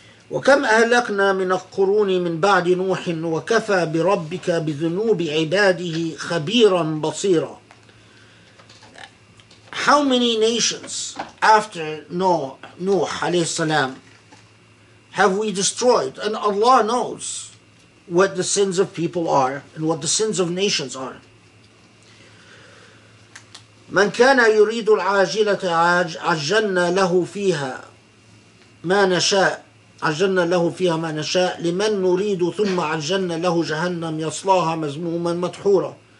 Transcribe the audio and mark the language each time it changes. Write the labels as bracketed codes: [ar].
[ar] وكم أهلكنا من القرون من بعد نوح وكفى بربك بذنوب عباده خبيرا بصيرا. [en] How many nations after Nuh alayhi salam have we destroyed? And Allah knows what the sins of people are and what the sins of nations are. [ar] من كان يريد العاجلة عجلنا له فيها ما نشاء عجلنا له فيها ما نشاء لمن نريد ثم عجلنا له جهنم يصلاها مذموما مدحورا.